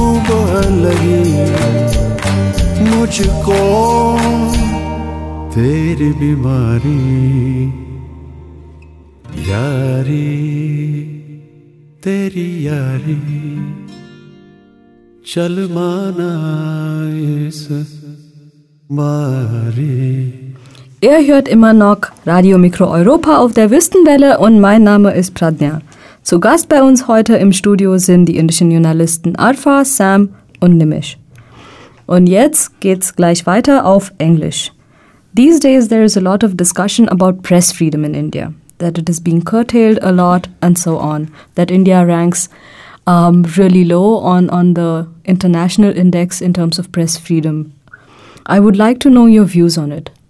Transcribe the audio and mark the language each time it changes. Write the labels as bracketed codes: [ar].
[hi] बहन लगी मुझको तेरी बीमारी यारी तेरी यारी चल माना इस बारी [de] Ihr hört immer noch Radio Mikro Europa auf der Wüstenwelle und mein Name ist Pradnya. Zu Gast bei uns heute im Studio sind die indischen Journalisten Arfa, Sam und Nimish. Und jetzt geht's gleich weiter auf Englisch. [en] These days there is a lot of discussion about press freedom in India, that it is being curtailed a lot and so on, that India ranks really low on the international index in terms of press freedom. I would like to know your views on it.